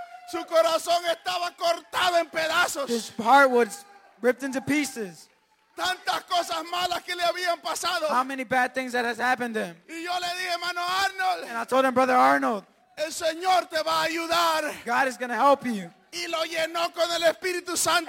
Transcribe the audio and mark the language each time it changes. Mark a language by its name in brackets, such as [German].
[Spanish] Su corazón estaba cortado en pedazos. [English] His heart was ripped into pieces. [Spanish] Tantas cosas malas que le habían pasado. [English] How many bad things that has happened to him? [Spanish] Y yo le dije, hermano Arnold. [English] And I told him, Brother Arnold. [Spanish] El Señor te va a ayudar. [English] God is going to help you. [Spanish] Y lo llenó con el Espíritu Santo.